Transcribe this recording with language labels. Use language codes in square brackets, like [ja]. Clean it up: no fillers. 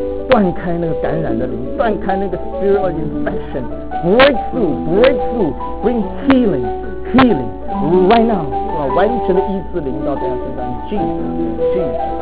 [zh] 断开那个感染的灵，断开那个 [en] spirit infection. Breakthrough, bring healing, healing, right now. [zh] 完全的医治灵到大家身上 Jesus, Jesus.